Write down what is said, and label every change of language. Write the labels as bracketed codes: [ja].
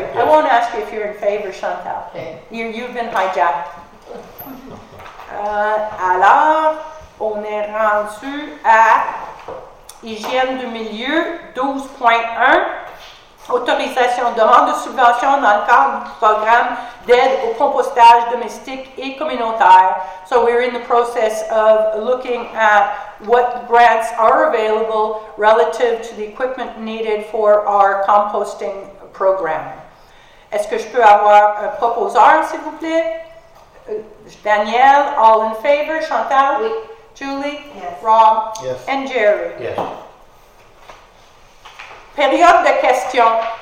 [en] Yes. I won't ask you if you're in favor, Chantal. Okay. You've been hijacked. [fr] Alors, on est rendu à hygiène de milieu 12.1, autorisation, demande de subvention dans le cadre du programme d'aide au compostage domestique et communautaire. [en] So we're in the process of looking at what grants are available relative to the equipment needed for our composting program. [fr] Est-ce que je peux avoir un proposeur, s'il vous plaît? [en] Danielle, all in favor? Chantal? [fr] Oui. [en] Julie? Yes. Rob? Yes. And Jerry? Yes. [fr] Période de questions.